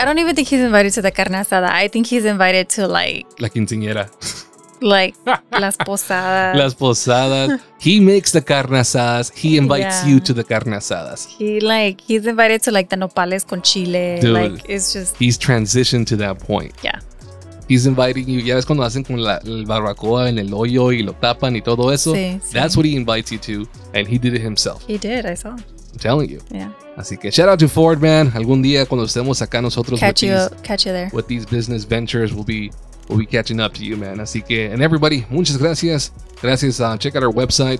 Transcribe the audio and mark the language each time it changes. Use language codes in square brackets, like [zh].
[en] I don't even think he's invited to the carne asada. I think he's invited to like [es] la quinceañera, [en] like [es] las posadas. [en] He makes the carne asadas. He invites you to the carne asadas. He's invited to like the [es] nopales con chile. [en] Dude, like it's just he's transitioned to that point. Yeah. He's inviting you. [es] Ya ves cuando hacen con la el barbacoa en el hoyo y lo tapan y todo eso. Sí. [en] That's what he invites you to, and he did it himself. He did. I saw. I'm telling you. Yeah. [es] Así que [en] shout out to Ford, man. [es] Algún día cuando estemos acá nosotros, [en] catch you there. With these business ventures, we'll be catching up to you, man. [es] Así que, [en] and everybody, [es] muchas gracias. Gracias. [en] Check out our website.